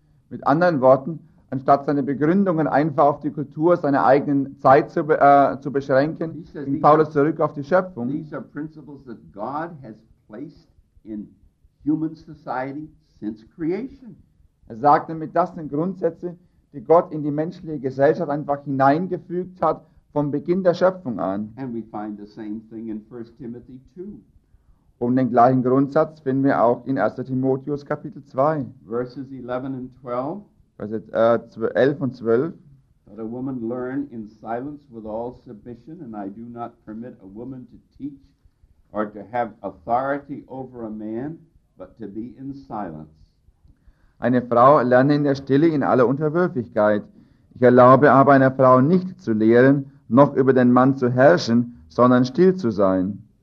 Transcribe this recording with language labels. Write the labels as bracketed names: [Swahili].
[German] Mit anderen Worten, anstatt seine Begründungen einfach auf die Kultur seiner eigenen Zeit zu beschränken, ging Paulus zurück auf die Schöpfung. [English] These are principles that God has placed in human society since creation. [German] Er sagt damit, das sind Grundsätze, die Gott in die menschliche Gesellschaft einfach hineingefügt hat, vom Beginn der Schöpfung an. [English] And we find the same thing in 1 Timothy 2. [German] Und den gleichen Grundsatz finden wir auch in 1. Timotheus Kapitel 2. [English] Verses 11 and 12. [German] Verse 11 und 12. [English] Let a woman learn in silence with all submission, and I do not permit a woman to teach or to have authority over a man, but to be in silence. [German] Eine Frau lerne in der Stille in aller Unterwürfigkeit. Ich erlaube aber einer Frau nicht zu lehren, noch über den Mann zu herrschen, sondern still zu sein.